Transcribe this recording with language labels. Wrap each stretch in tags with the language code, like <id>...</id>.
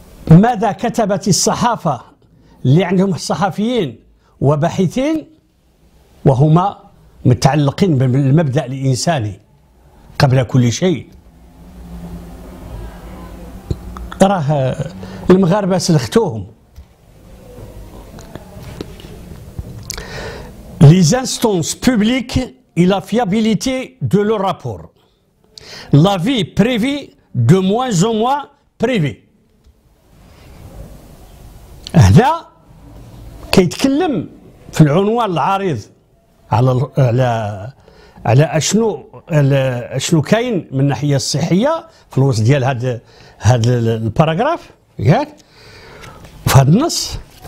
<ar>ماذا كتبت الصحافة اللي عندهم صحفيين وباحثين وهما متعلقين بالمبدأ الإنساني قبل كل شيء؟ راه المغاربة سلختوهم.</ar> <fr>Les instances publiques et la fiabilité de leur rapport. La vie privée de moins en moins privée.</fr> <ar>هذا كيتكلم في العنوان العريض على على على اشنو اشنو كاين من الناحيه الصحيه في الوسط ديال هذا الباراغراف، ياك؟ في هذا النص</ar>